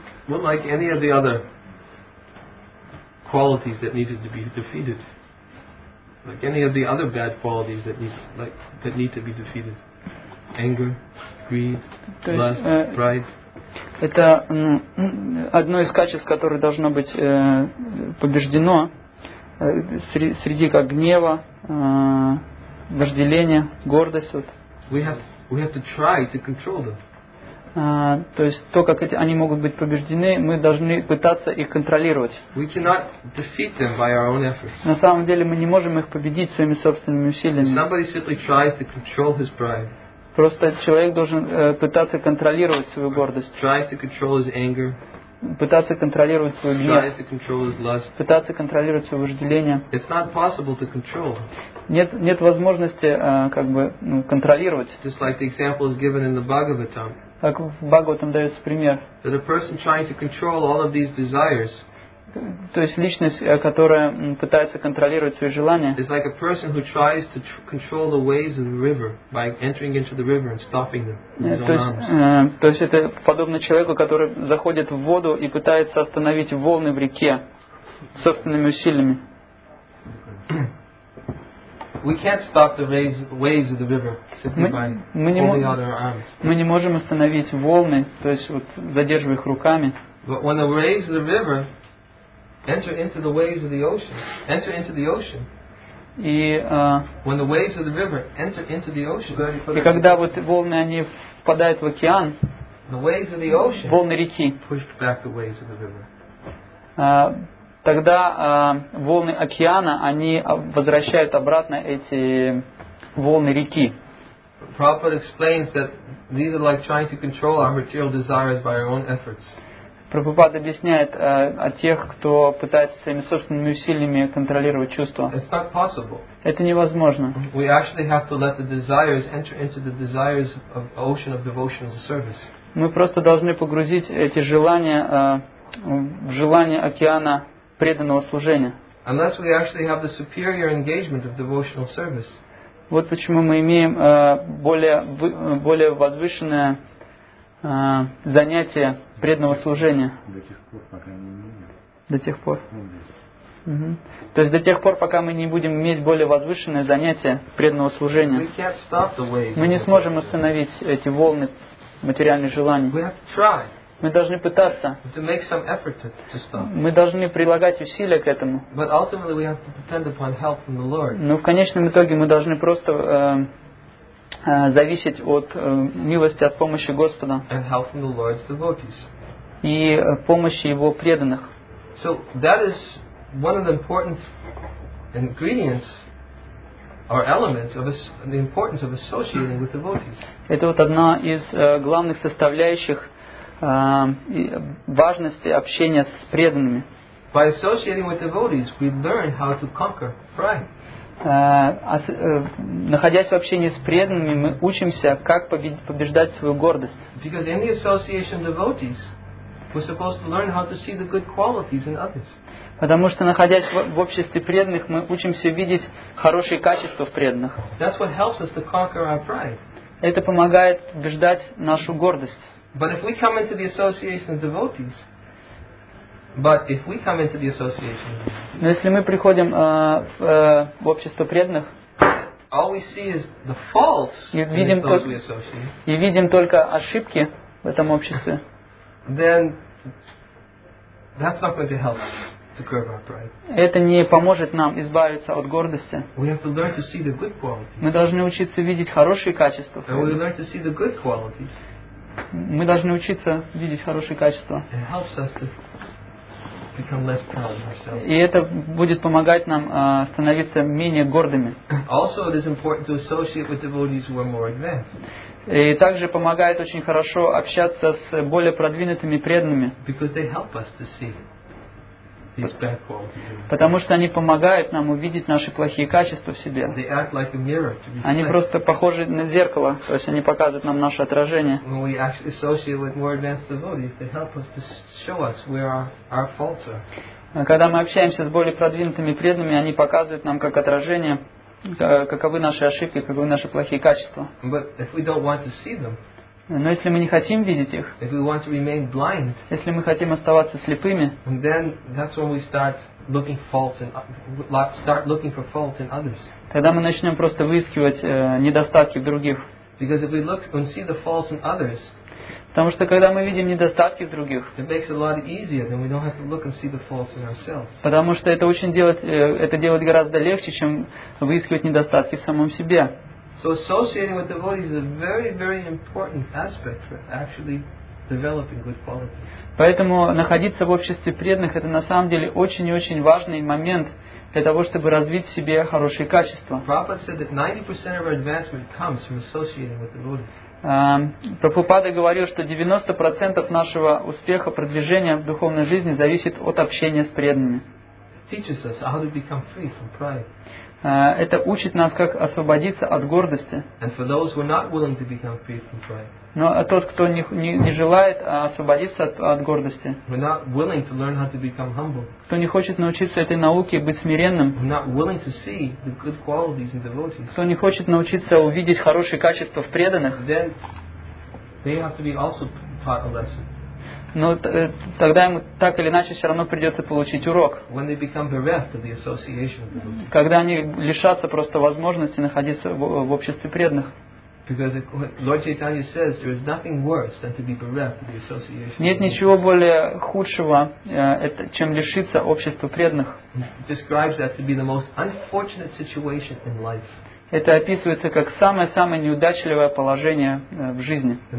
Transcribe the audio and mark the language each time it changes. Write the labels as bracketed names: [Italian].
[English] Well, like any of the other qualities that needed to be defeated, like any of the other bad qualities that need to be defeated. Anger, greed, [Russian] то [English] lust, [Russian] есть, [English] pride. [Russian] Это одно из качеств, которое должно быть побеждено среди как гнева, вожделения, гордость. Вот. [English] We have to try to control them. [Russian] То есть то, как они могут быть побеждены, мы должны пытаться их контролировать. [English] We cannot defeat them by our own efforts. [Russian] На самом деле мы не можем их победить своими собственными усилиями. [English] Somebody simply tries to control his pride. [Russian] Просто человек должен пытаться контролировать свою гордость. [English] Tries to control his anger. [Russian] Пытаться контролировать свой гнев. [English] Tries to control his lust. [Russian] Пытаться контролировать свое вожделение. [English] It's not possible to control. [Russian] Нет возможности контролировать. [English] Just like the example is given in the Bhagavatam. [Russian] Как в Бхагаватам дается пример. [English] That a person trying to control all of these desires. [Russian] То есть личность, которая пытается контролировать свои желания. [English] It's like a person who tries to control the waves of the river by entering into the river and stopping them. [Russian] То есть это подобно человеку, который заходит в воду и пытается остановить волны в реке собственными усилиями. [English] We can't stop the waves of the river simply by holding out our arms. [Russian] Мы не можем остановить волны, то есть вот задерживая их руками. [English] But when the waves of the river enter into the waves of the ocean. Enter into the ocean. [Russian] И [English] when the waves of the river enter into the ocean. [Russian] И когда вот волны они впадают в океан. [English] The waves of the ocean. [Russian] Волны реки. [English] Push back the waves of the river. [Russian] тогда волны океана, они возвращают обратно эти волны реки. [English] Prabhupada explains that these are like trying to control our material desires by our own efforts. [Russian] Прабхупада объясняет о тех, кто пытается своими собственными усилиями контролировать чувства. [English] It's not possible. [Russian] Это невозможно. [English] We actually have to let the desires enter into the desires of ocean of devotional service. [Russian] Мы просто должны погрузить эти желания в желание океана преданного служения. [English] Unless we actually have the superior engagement of devotional service. [Russian] Вот почему мы имеем более возвышенное занятие преданного служения. До тех пор, пока не имеем. До тех пор. То есть до тех пор, пока мы не будем иметь более возвышенное занятие преданного служения. [English] We can't stop the waves. [Russian] Мы не сможем остановить эти волны материальных желаний. [English] We have to try. [Russian] Мы должны пытаться. [English] We have to make some effort to stop. [Russian] Мы должны прилагать усилия к этому. [English] But ultimately we have to depend upon help from the Lord. [Russian] Но в конечном итоге мы должны просто зависеть от милости, от помощи Господа. [English] And help from the Lord's devotees. [Russian] И помощи Его преданных. [English] So that is one of the important ingredients or elements of the importance of associating with devotees. [Russian] Это вот одна из главных составляющих важности общения с преданными. [English] By associating with devotees, we learn how to conquer pride. [Russian] Находясь в общении с преданными, мы учимся, как побеждать свою гордость. [English] Because in the association of devotees, we're supposed to learn how to see the good qualities in others. [Russian] Потому что, находясь в обществе преданных, мы учимся видеть хорошие качества в преданных. [English] That's what helps us to conquer our pride. [Russian] Это помогает побеждать нашу гордость. [English] But if we come into the association of devotees, [Russian] но если мы приходим в общество преданных, [English] all we see is the faults in those we associate, [Russian] и видим только ошибки в этом обществе, [English] then that's not going to help to curb our pride. [Russian] Это не поможет нам избавиться от гордости. [English] We have to learn to see the good qualities. [Russian] Мы должны учиться видеть хорошие качества. [English] And we learn to see the good qualities. [Russian] Мы должны учиться видеть хорошие качества. [English] It helps us to become less proud of ourselves. [Russian] И это будет помогать нам становиться менее гордыми. [English] Also, it is important to associate with devotees who are more advanced. [Russian] И также помогает очень хорошо общаться с более продвинутыми преданными. [English] Because they help us to see these bad qualities. [Russian] Потому что они помогают нам увидеть наши плохие качества в себе. [English] They act like a mirror to be. [Russian] Они просто похожи на зеркало, то есть они показывают нам наше отражение. [English] When we actually associate with more advanced devotees, they help us to show us where our faults are. [Russian] Когда мы общаемся с более продвинутыми преданными, они показывают нам как отражение, каковы наши ошибки, каковы наши плохие качества. [English] But if we don't want to see them, [Russian] но если мы не хотим видеть их, [English] if we want to remain blind, [Russian] если мы хотим оставаться слепыми, [English] then that's when we start looking for faults in others. [Russian] Тогда мы начнем просто выискивать недостатки в других. [English] Because if we look and see the faults in others, [Russian] потому что когда мы видим недостатки в других, [English] it makes it a lot easier, then we don't have to look and see the faults in ourselves. [Russian] Потому что это очень делать гораздо легче, чем выискивать недостатки в самом себе. [English] So associating with devotees is a very, very important aspect for actually developing good qualities. [Russian] Поэтому находиться в обществе преданных — это на самом деле очень и очень важный момент для того, чтобы развить в себе хорошие качества. [English] Prabhupada said that 90% of our advancement comes from associating with devotees. [Russian] Прабхупада говорил, что 90% нашего успеха, продвижения в духовной жизни зависит от общения с преданными. [English] It teaches us how to become free from pride. [Russian] Это учит нас, как освободиться от гордости. [English] And for those who are not willing to become free from pride. [Russian] Но тот, кто не желает освободиться от гордости. [English] We're not willing to learn how to become humble. [Russian] Кто не хочет научиться этой науке быть смиренным. [English] We're not willing to see the good qualities in devotees. [Russian] Кто не хочет научиться увидеть хорошие качества в преданных. [English] Then they have to be also taught a lesson. [Russian] Но тогда ему так или иначе все равно придется получить урок. [English] When they become bereft of the association of the devotees. [Russian] Когда они лишатся просто возможности находиться в обществе преданных. [English] Because Lord Chaitanya says there is nothing worse than to be bereft of the association. [Russian] Нет ничего более худшего, чем лишиться общества преданных. [English] Describes that to be the most unfortunate situation in life. [Russian] это описывается как самое-самое неудачливое положение в жизни.